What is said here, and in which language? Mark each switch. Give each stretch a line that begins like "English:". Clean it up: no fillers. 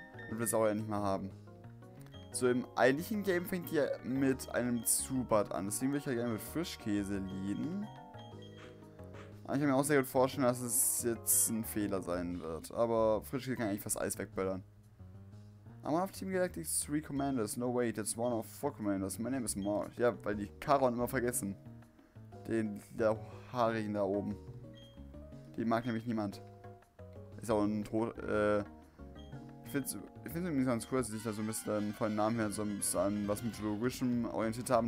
German: Und wir es auch endlich mal haben. So, im eigentlichen Game fängt ihr mit einem Zubat an. Deswegen würde ich ja gerne mit Frischkäse leaden. Aber ich kann mir auch sehr gut vorstellen, dass es jetzt ein Fehler sein wird. Aber Frischkäse kann eigentlich fast Eis wegböllern.
English: I'm one of Team Galactic's 3 Commanders. No wait, it's one of 4 Commanders. My name is Marsh.
German: Ja, weil die Charon immer vergessen. Der Haarigen da oben. Den mag nämlich niemand. Ist auch ein Tod. Ich finde es irgendwie ganz cool, dass sie sich da so ein bisschen von dem Namen her so ein bisschen an was Mythologischem orientiert haben.